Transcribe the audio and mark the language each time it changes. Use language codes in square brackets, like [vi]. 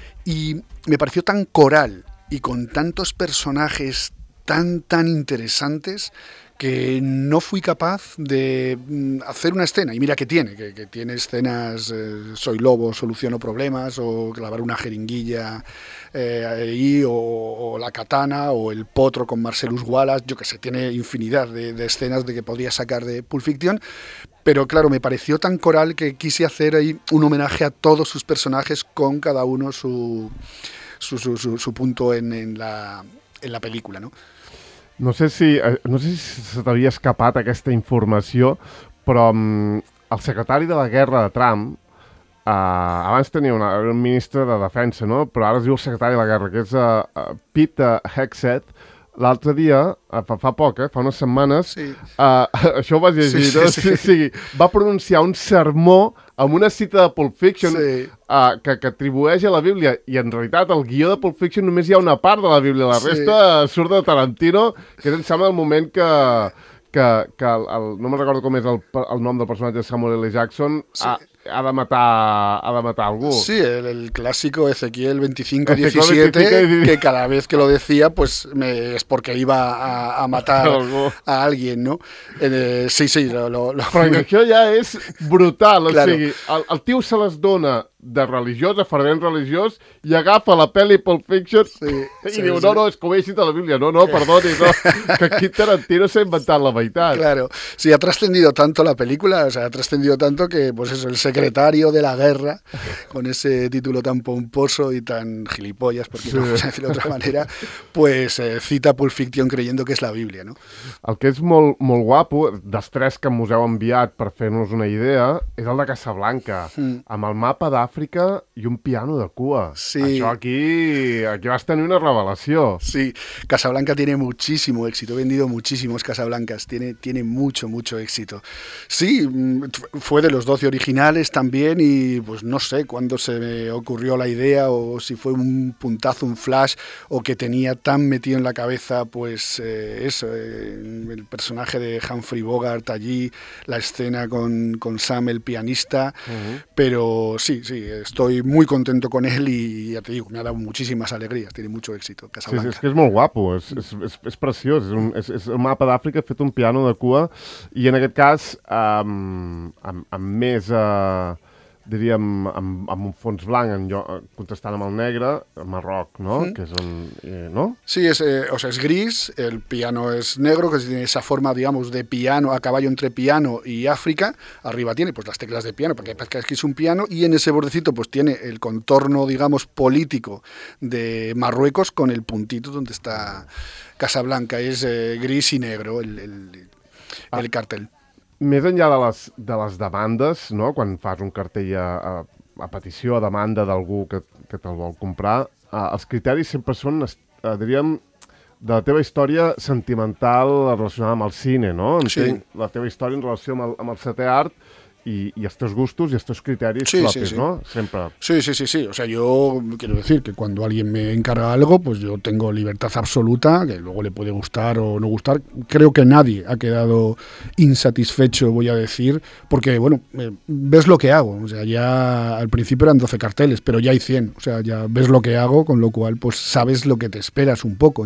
[es] Y me pareció tan coral y con tantos personajes tan interesantes que no fui capaz de hacer una escena. Y mira que tiene, que tiene escenas Soy lobo, soluciono problemas, o clavar una jeringuilla ahí, o la katana, o el potro con Marcellus Wallace, yo que sé, tiene infinidad de escenas de que podría sacar de Pulp Fiction. Pero claro, me pareció tan coral que quise hacer ahí un homenaje a todos sus personajes con cada uno su punto en la película, ¿no? [ca] No sé si se t'havia escapat aquesta informació, però el secretari de la guerra de Trump, abans tenia un ministre de defensa, no? Però ara es diu el secretari de la guerra, que és Pete Hegseth. L'altre dia, fa poc, fa unes setmanes, sí, això ho vas llegir, sí, no? Sí. Sí, va pronunciar un sermó amb una cita de Pulp Fiction, sí, que atribueix a la Bíblia, i en realitat el guió de Pulp Fiction només hi ha una part de la Bíblia, la resta sí, surt de Tarantino, que és, em sembla, el moment que no me'n recordo com és el nom del personatge de Samuel L. Jackson, sí, ha de matar algú. [es] Sí, el clàssico Ezequiel 25-17, que cada vez que lo decía, pues es porque iba a matar a alguien, ¿no? Sí, sí. Lo... [ca] Però això ja és brutal. [es] Claro. [ca] O sigui, el tio se les dona de religiós, de fervent religiós, i agafa la pel·li Pulp Fiction sí, diu, no, és com he dit a la Bíblia, no, perdoni, no, que aquí Tarantino s'ha inventat la meitat. [es] Claro, sí, ha trascendido tanto la película, o sea, ha trascendido tanto que, pues eso, el secretario de la guerra, con ese título tan pomposo y tan gilipollas, porque sí, no vamos a decirlo de otra manera, pues cita Pulp Fiction creyendo que es la Biblia, ¿no? [ca] El que és molt, molt guapo, dels tres que us heu enviat per fer-nos una idea, és el de Casablanca, amb el mapa de Àfrica i un piano de cua. Sí. Això aquí vas tenir una revelació. [es] Sí, Casablanca tiene muchísimo éxito, he vendido muchísimos Casablancas, tiene mucho éxito. Sí, fue de los 12 originales también y pues no sé cuándo se me ocurrió la idea o si fue un puntazo, un flash, o que tenía tan metido en la cabeza, pues el personaje de Humphrey Bogart allí, la escena con Sam, el pianista, pero sí, sí, estoy muy contento con él y ya te digo, me ha dado muchísimas alegrías, tiene mucho éxito Casablanca. [ca] Sí, [es] es que es muy guapo, es precioso, es un mapa de África, [ca] he fet un piano de cua y en aquest cas amb més diríem amb un fons blanc en lloc, contestant amb el negre, el Marroc, no? Mm. Que és un, no? [es] Sí, es gris, el piano es negro, que tiene esa forma, digamos, de piano, a caballo entre piano y África, arriba tiene pues las teclas de piano, porque parece que es un piano, y en ese bordecito pues tiene el contorno, digamos, político de Marruecos con el puntito donde está Casablanca, es gris y negro, el el cartel. [ca] Més enllà de les demandes, no? Quan fas un cartell a petició, a demanda d'algú que te'l vol comprar, els criteris sempre són, diríem, de la teva història sentimental relacionada amb el cine, no? Entenc, sí. La teva història en relació amb el setè art i els teus gustos i els teus criteris, sí, propis, sí, sí. No? Sempre. Sí, sí, sí, sí. [es] O sea, yo quiero decir que cuando alguien me encarga algo, pues yo tengo libertad absoluta, que luego le puede gustar o no gustar. Creo que nadie ha quedado insatisfecho, voy a decir, porque, bueno, ves lo que hago. O sea, ya al principio eran 12 carteles, pero ya hay 100. O sea, ya ves lo que hago, con lo cual, pues sabes lo que te esperas un poco.